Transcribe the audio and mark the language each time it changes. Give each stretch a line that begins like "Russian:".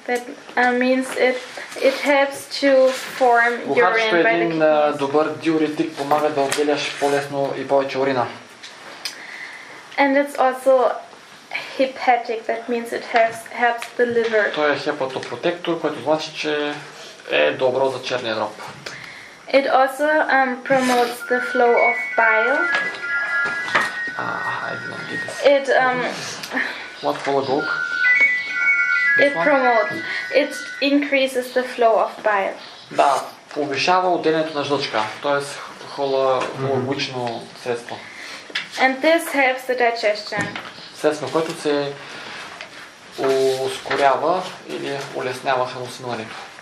English: That means it helps to form urine by the kidneys.
Bulgarian: Един добър диуретик помага да отделяш по-лесно и повече урина.
English: And it's also hepatic. That means it helps the liver.
Bulgarian: Той е хепатопротектор, което значи, че е добро за черния дроб.
English: It also promotes the flow of bile. Ah, I didn't get this. It what polagogue? It promotes. It increases the flow of bile.
Bulgarian: Да, повишава отделението на жлъчка, т.е. хологично средство.
English: And this helps the digestion.
Bulgarian: Средство, което се ускорява или улеснява храносмилането.